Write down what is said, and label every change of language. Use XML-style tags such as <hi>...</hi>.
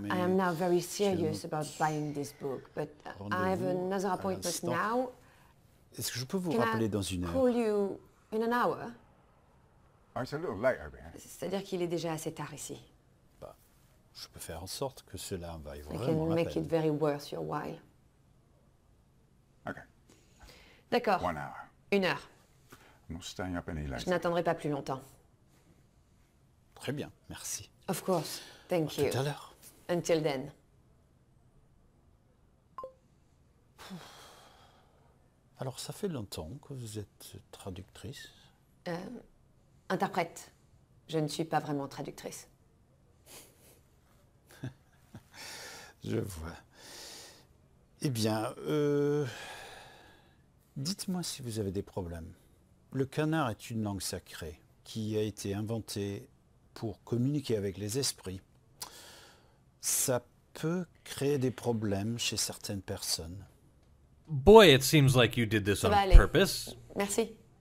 <en>I am now very serious about buying this book, but I have another appointment now.</en> <fr>Est-ce que je peux vous rappeler dans une heure?</fr> <en>Can I call you in an hour? Oh, it's a little late over here.</en> <fr>C'est-à-dire qu'il est déjà assez tard ici. Bah, je peux faire en sorte que cela vaille vraiment la peine.</fr> <en>I can make it very worth your while. Okay.</en> <fr>D'accord.</fr> <en>One hour.</en> <fr>Une heure.</fr> <en>I'm not staying up any later.</en> <fr>Je n'attendrai pas plus longtemps. Très bien, merci.</fr> <en>Of course, thank you.</en> <fr>À tout à l'heure.</fr> <en>Until then.</en> <fr>Alors, ça fait longtemps que vous êtes traductrice? Interprète. Je ne suis pas vraiment traductrice. Je vois. Eh bien, dites-moi si vous avez des problèmes. Le canard est une langue sacrée qui a été inventée pour communiquer avec les esprits. Ça peut créer des problèmes chez certaines personnes.</fr> <en>Boy, it seems like you did this on purpose.</en> <fr>Merci.</fr>